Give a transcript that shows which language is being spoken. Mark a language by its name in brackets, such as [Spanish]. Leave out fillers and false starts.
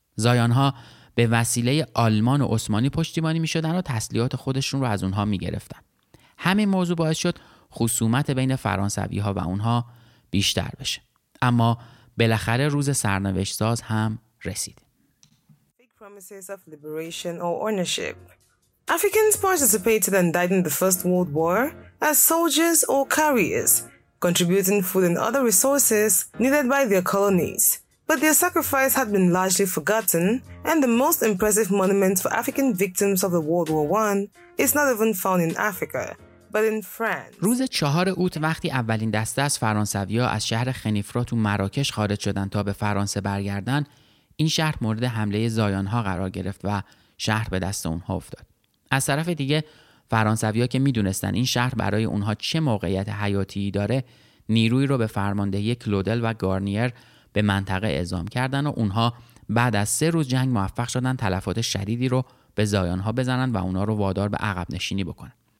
[Persian] زایان‌ها به وسیله آلمان و عثمانی پشتیبانی می‌شدن و تسلیحات خودشون رو از اونها می‌گرفتن. همین موضوع باعث شد خصومت بین فرانسوی‌ها و اونها بیشتر بشه. اما بالاخره روز سرنوشت ساز هم رسید. [English] Big promises of liberation or ownership. Africans participated and died in the First World War as soldiers or carriers, contributing food and other resources needed by their colonies. But their sacrifice had been largely forgotten, and the most impressive monument for African victims of the World War I is not even found in Africa, but in France. [Persian] روز 4 اوت وقتی اولین دسته از فرانسوی‌ها از شهر خنیفرا تو مراکش خارج شدند تا به فرانسه برگردن، این شهر مورد حمله زایان‌ها قرار گرفت و شهر به دست اونها افتاد. از طرف دیگه فرانسوی‌ها که می‌دونستان این شهر برای اونها چه موقعیت حیاتی داره، نیروی رو به فرماندهی کلودل و گارنیر به منطقه اعزام کردن و اونها بعد از 3 روز جنگ موفق شدن تلفات شدیدی رو به زایان‌ها بزنن و اونها رو وادار به عقب نشینی بکنن.